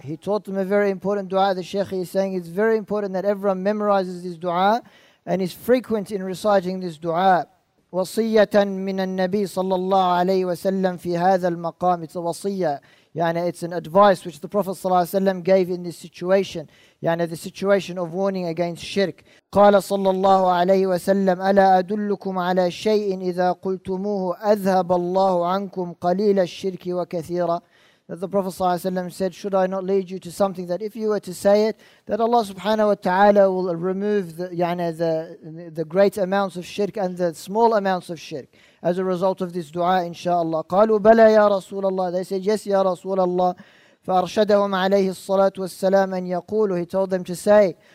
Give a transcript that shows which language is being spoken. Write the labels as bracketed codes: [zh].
[en] He taught them a very important dua. The Shaykh is saying it's very important that everyone memorizes this dua and is frequent in reciting this dua. [ar] وَصِيَّةً مِنَ النَّبِي sallallahu alayhi wasallam فِي هَذَا الْمَقَامِ. [en] It's a wasiyah. It's an advice which the Prophet sallallahu alayhi wasallam gave in this situation. The situation of warning against shirk. [ar] قال صلى الله عليه وسلم ألا أدلكم على شيء إذا قلتموه أذهب الله عنكم قليل الشرك وكثيرة. [en] That the Prophet sallallahu alayhi wasallam said, should I not lead you to something that if you were to say it, that Allah subhanahu wa ta'ala will remove the great amounts of shirk and the small amounts of shirk as a result of this dua, inshaAllah. [ar] قالوا بلى يا رسول الله. [en] They said, yes, [ar] يا رسول الله. فأرشدهم عليه الصلاة والسلام أن يقولوا. [en] He told them to say,